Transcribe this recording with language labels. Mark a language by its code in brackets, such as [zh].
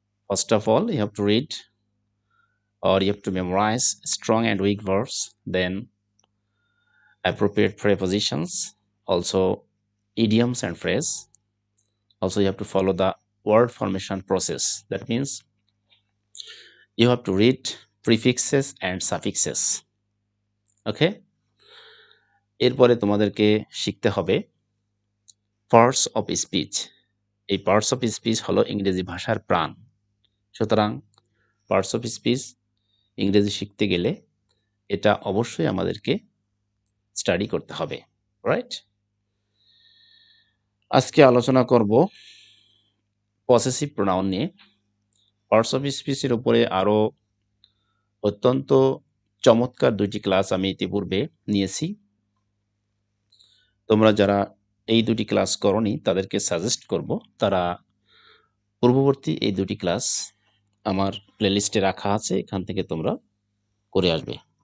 [en] First of all you have to read or you have to memorise strong and weak verbs, then appropriate prepositions, also idioms and phrase, also you have to follow the word formation process. That means you have to read prefixes and suffixes. [bn] Okay, erpore tomaderke shikhte hobe parts of speech. Ei parts of speech holo ingreji bhashar pran, sutrang parts of speech ingreji shikhte gele eta obosshoi amaderke study korte hobe. Right, ajke alochona korbo possessive pronoun নিয়ে। Parts of স্পিচের উপরে আরও অত্যন্ত চমৎকার দুটি class আমি ইতিপূর্বে নিয়েছি, তোমরা যারা এই দুটি ক্লাস করনি তাদেরকে সাজেস্ট করব তারা পূর্ববর্তী এই দুটি ক্লাস আমার প্লেলিস্টে রাখা আছে, এখান থেকে তোমরা করে আসবে।